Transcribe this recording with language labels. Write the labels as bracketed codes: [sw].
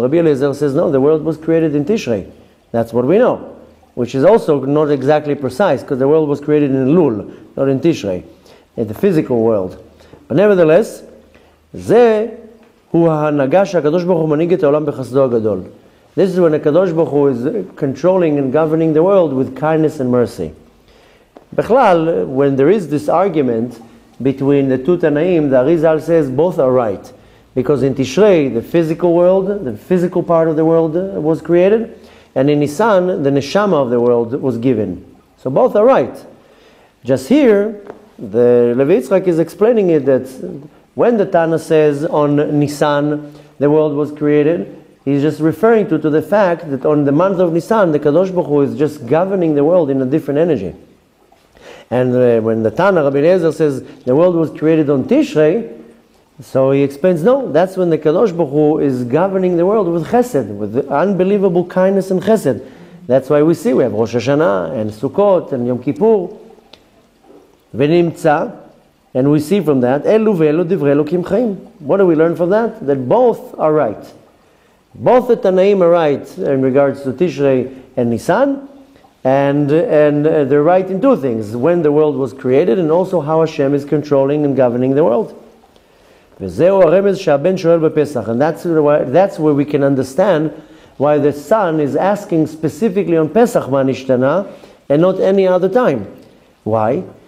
[en] רבי אליעזר says, no, the world was created in Tishrei. That's what we know, which is also not exactly precise because the world was created in Elul, not in Tishrei. In the physical world. But nevertheless, [he] זה הוא ההנהגה שהקדוש ברוך הוא מנהיג את העולם בחסדו הגדול. [en] This is when the קדוש ברוך הוא is controlling and governing the world with kindness and mercy. בכלל, when there is this argument between the two תנאים, the Arizal says both are right. Because in Tishrei, the physical world, the physical part of the world was created, and in Nisan, the neshama of the world was given. So both are right. Just here, the Levi Yitzchak is explaining it that when the Tana says on Nisan the world was created, he's just referring to the fact that on the month of Nisan the Kadosh Baruch Hu is just governing the world in a different energy. And when the Tana, Rabbi Eliezer, says the world was created on Tishrei, so he explains, no, that's when the Kadosh Baruch Hu is governing the world with chesed, with unbelievable kindness and chesed. That's why we see we have Rosh Hashanah and Sukkot and Yom Kippur. [he] ונמצא, [en] and we see from that, [he] אלו ואלו דברי אלוקים חיים. [en] What do we learn from that? That both are right. Both the תנאים are right in regards to Tishrei and Nisan, and they're right in two things, when the world was created, and also how Hashem is controlling and governing the world. [he] וזהו הרמז שהבן שואל בפסח, [en] and that's where we can understand why the son is asking specifically on Pesach מה נשתנה, and not any other time. Why?